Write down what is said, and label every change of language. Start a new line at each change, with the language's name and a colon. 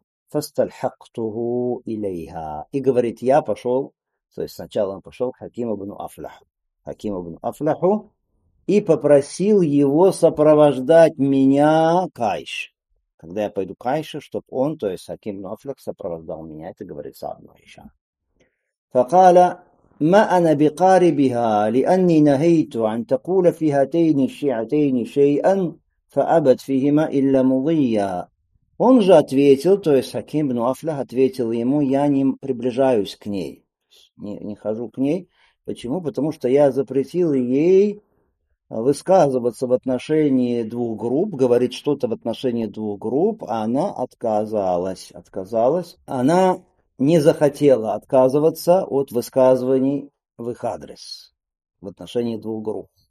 Arabic: Фасталхактуху илейха.
Russian: И говорит, я пошел, то есть сначала он пошел к Хаким ибн Афлаху. Хаким ибн Афлаху. И попросил его сопровождать меня к Айше. Когда я пойду к Айше, чтобы он, то есть Хаким ибн Афлах, сопровождал меня. Это говорит Сабну Хишам.
Arabic: Факала ما أنا بقاربها لأني نهيت عن تقول في هاتين الشيعتين شيئا فأبت فيهما إلا مضيا.
Russian: Он же ответил, то есть Хаким ибн Афлах ответил ему, я не приближаюсь к ней, не хожу к ней. Почему? Потому что я запретил ей высказываться в отношении двух групп, говорить что-то в отношении двух групп, а она отказалась, Она не захотела отказываться от высказываний в их адрес в отношении двух групп.